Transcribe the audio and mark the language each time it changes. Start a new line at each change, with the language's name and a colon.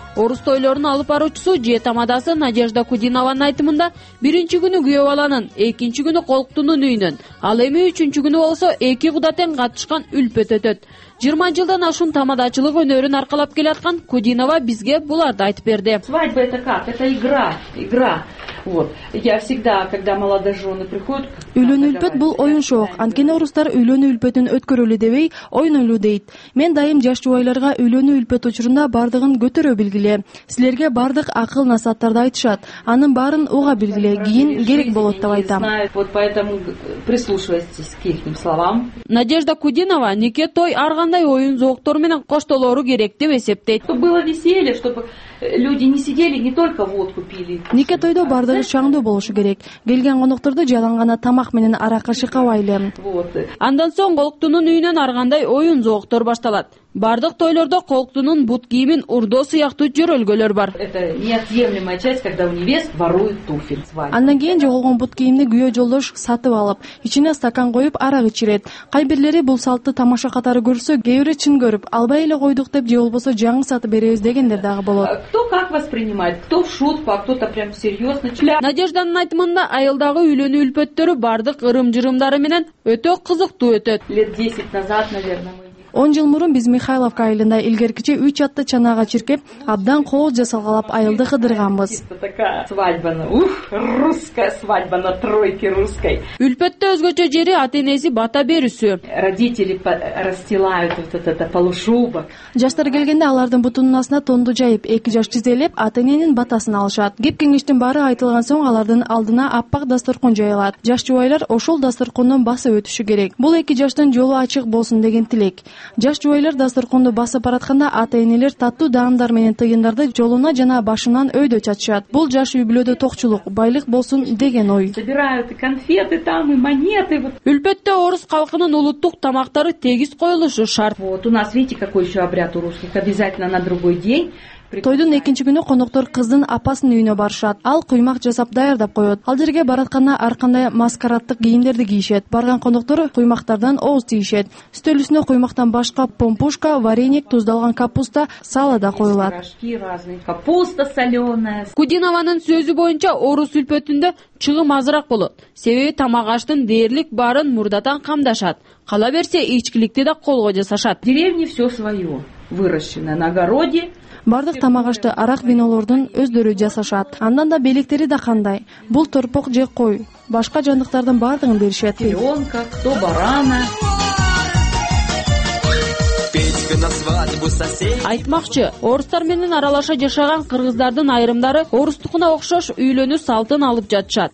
Kyrgyz: Орус тойлорун алып баруучусу же тамадасы Надежда Кудинованын айтымында, биринчи күнү күйөө баланын, экинчи күнү колуктунун үйүнөн, ал эми үчүнчү күнү болсо эки куда тең катышкан үлпөт өтөт. 20 жылдан ашуун тамадачылык өнөрүн аркалап келаткан Кудинова бизге буларды айтып берди.
Russian: Свадьба это как? Это игра, игра. Вот. Я всегда, когда молодожёны приходят,
Kyrgyz: үйлөнүү үлпөт бул оюн шоок. Анткени орустар үйлөнүү үлпөтүн өткөрөлү дебей, ойнолу дейт. Мен дайым жаш жубайларга үйлөнүү үлпөт учурунда бардыгын көтөрө билгиле. Силерге бардык акыл насаттарды айтышат. Анын баарын уга билгиле, кийин керек болот деп айтам.
Russian: Вот поэтому прислушивайтесь к ихним словам.
Kyrgyz: Надежда Кудинова нике той ар кандай оюн зоктор менен коштолору керек деп эсептейт.
Russian: Чтобы было веселье, чтобы Люди не сидели, не только водку пили.
Kyrgyz: Нике тойдо бардыгы чаңдуу болушу керек. Келген конокторду жалангана тамак менен арака шыкабайлы.
Russian: Вот.
Kyrgyz: Андан соң колуктунун үйүнөн ар кандай оюн зооктор башталат. Бардык тойлордо колуктунун бут кийимин урдоо сыяктуу жөрөлгөлөр бар.
Russian: Это неотъемлемая часть, когда у невест воруют туфель свадьбы.
Kyrgyz: Андан кийин жоголгон бут кийимди күйөө жолдош сатып алып, ичине стакан коюп арак ичирет. Кай бирлери бул салтты тамаша катары көрсө, кээ бири чын көрүп, албай эле койдук деп, же болбосо жаңы сатып беребиз дегендер дагы болот.
Russian: Кто как воспринимает? Кто в шутку, а кто-то прям серьезно.
Kyrgyz: Надежданын айтымында айылдагы үйлөнүү үлпөттөрү бардык ырым-жырымдары менен өтө кызыктуу өтөт.
Russian: Лет 10 назад, наверное,
Kyrgyz: 10 жыл мурун биз Михайловка айылында илгеркиче 3 атты чанага чиркеп, абдан кооз жасалгалап айылды кыдырганбыз.
Russian: Русская свадьба на тройке русской.
Kyrgyz: Үлпөттө өзгөчө жери ата-энеси бата берүүсү.
Russian: Родители расстилают вот этот полушубок.
Kyrgyz: Жаштар келгенде алардын бутунун астына тонду жайып, 2 жаш тизелеп, ата-эненин батасын алышат. Кеп-кеңештин баары айтылган соң алардын алдына аппак дасторкон жайылат. Жаш жубайлар ошол дасторкондон басып өтүшү керек. Бул 2 жаштын жолу ачык болсун деген тилек. Жаш жубайлар дасторконду басып баратканда ата-энелер таттуу даамдар менен тыйындарды жолуна жана башынан өйдө чачышат. Бул жаш үй бүлөдө токчулук, байлык болсун деген ой.
Russian: Собирают и конфеты там, и монеты.
Kyrgyz: Үлпөттө орус калкынын улуттук тамактары тегиз коюлушу шарт.
Russian: Вот у нас, видите, какой еще обряд у русских, обязательно на другой день.
Kyrgyz: Тойдун экинчи күнү коноктор кыздын апасынын үйүнө барышат. Ал куймак жасап даярдап коет. Ал жерге баратканда ар кандай маскараттык кийимдерди кийишет. Барган коноктор куймактардан ооз тийишет. Үстөл үстүнө куймактан башка помпушка, вареник, туздалган капуста, салада коюлат.
Russian: Капуста соленая.
Kyrgyz: Кудинованын сөзү боюнча орус үлпөтүндө чыгым азыраак болот. Себеби тамак аштын дээрлик баарын мурдатан камдашат. Кала берсе ичкиликти да колго жасашат.
Russian: Деревне все свое выращено на огороде.
Kyrgyz: Бардык тамак ашты арак винолордун өздөрү жасашат. Андан да белектери да кандай. Бул торпок же кой. Башка жандыктардын бардыгын беришет.
Russian: Теленка, кто барана.
Kyrgyz: Айтмакчы, орустар менен аралаша жашаган кыргыздардын айрымдары орустукуна окшош үйлөнүү салтын алып жатышат.